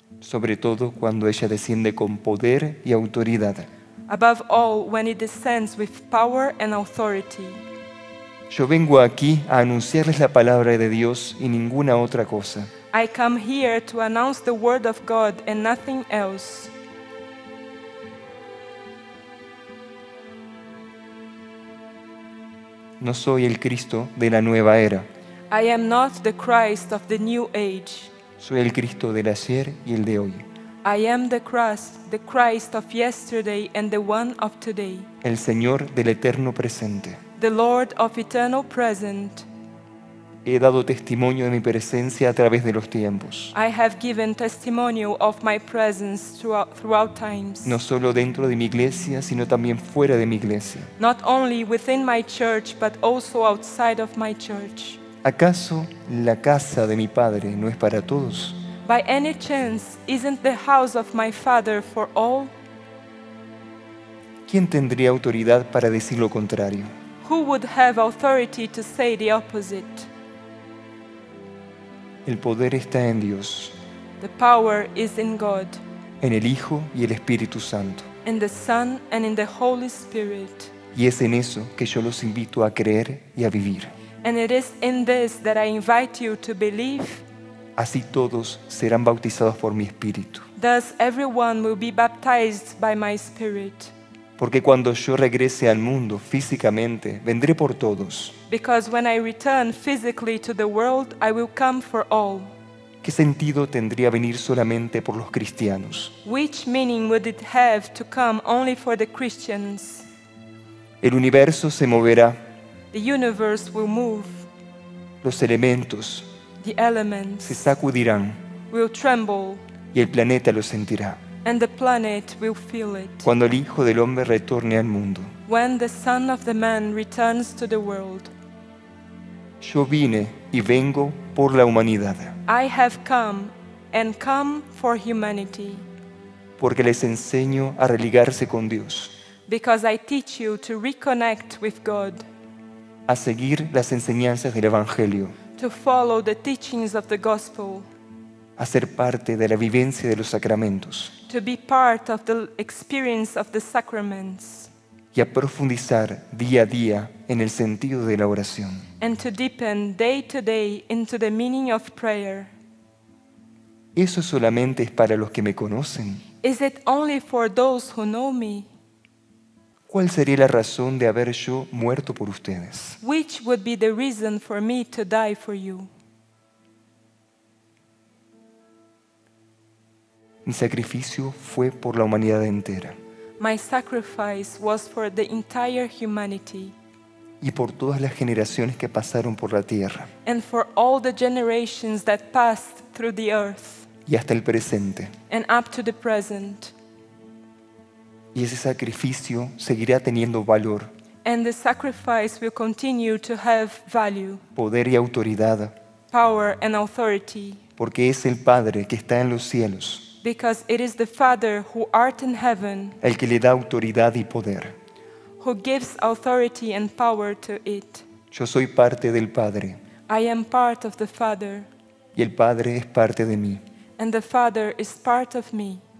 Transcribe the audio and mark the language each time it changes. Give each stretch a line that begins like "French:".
Spanish: sobre todo cuando ella desciende con poder y autoridad,
English: above all when it descends with power and authority.
Spanish: Yo vengo aquí a anunciarles la palabra de Dios y ninguna otra cosa.
English: I come here to announce the word of God and nothing else.
Spanish: No soy el Cristo de la nueva era.
English: I am not the Christ of the new age.
Spanish: Soy el Cristo del ayer y el de hoy.
English: I am the Christ of yesterday and the one of today.
Spanish: El Señor del eterno presente.
English: The Lord of eternal present.
Spanish: he dado testimonio de mi presencia a través de los tiempos.
English: I have given testimonio of my presence throughout times.
Spanish: No solo dentro de mi iglesia, sino también fuera de mi iglesia.
English: Not only within my church, but also outside of my church.
Spanish: ¿Acaso la casa de mi padre no es para todos?
English: By any chance, isn't the house of my father for all?
Spanish: ¿Quién tendría autoridad para decir lo contrario?
English: Who would have authority to say the opposite?
Spanish: El poder está en Dios.
English: The power is in God.
Spanish: En el Hijo y el Espíritu Santo.
English: In the Son and in the Holy Spirit.
Spanish: Y es en eso que yo los invito a creer y a vivir.
English: And it is in this that I invite you to believe.
Spanish: Así todos serán bautizados por mi Espíritu.
English: Thus everyone will be baptized by my Spirit.
Spanish: Porque cuando yo regrese al mundo físicamente, vendré por todos.
English: Because when I return physically to the world, I will come for all.
Spanish: ¿Qué sentido tendría venir solamente por los cristianos?
English: Which meaning would it have to come only for the Christians?
Spanish: El universo se moverá.
English: The universe will move.
Spanish: Los elementos.
English: The elements.
Spanish: Se sacudirán.
English: Will tremble.
Spanish: Y el planeta lo sentirá.
English: And the planet will feel it.
Spanish: Cuando el Hijo del Hombre retorne al mundo.
English: When the Son of the Man returns to the world.
Spanish: Yo vine y vengo por la humanidad.
English: I have come and come for humanity.
Spanish: Porque les enseño a religarse con Dios.
English: Because I teach you to reconnect with God.
Spanish: A seguir las enseñanzas del Evangelio.
English: To follow the teachings of the Gospel.
Spanish: A ser parte de la vivencia de los sacramentos.
English: To be part of the experience of the sacraments.
Spanish: Y a profundizar día a día en el sentido de la oración.
English: And to deepen day to day into the meaning of prayer.
Spanish: ¿Eso solamente es para los que me conocen?
English: Is it only for those who know me?
Spanish: ¿Cuál sería la razón de haber yo muerto por ustedes?
English: Which would be the reason for me to die for you?
Spanish: Mi sacrificio fue por la humanidad entera.
English: My sacrifice was for the entire humanity.
Spanish: Y por todas las generaciones que pasaron por la tierra.
English: And for all the generations that passed through the earth.
Spanish: Y hasta el presente.
English: And up to the present.
Spanish: Y ese sacrificio seguirá teniendo valor.
English: And the sacrifice will continue to have value.
Spanish: Poder y autoridad.
English: Power and authority.
Spanish: Porque es el Padre que está en los cielos.
English: Because it is the Father who art in heaven,
Spanish: el que le da autoridad y poder,
English: who gives authority and power to it.
Spanish: Yo soy parte del Padre.
English: I am part of the Father.
Spanish: Y el Padre es parte de mí.
English: And the Father is part of me.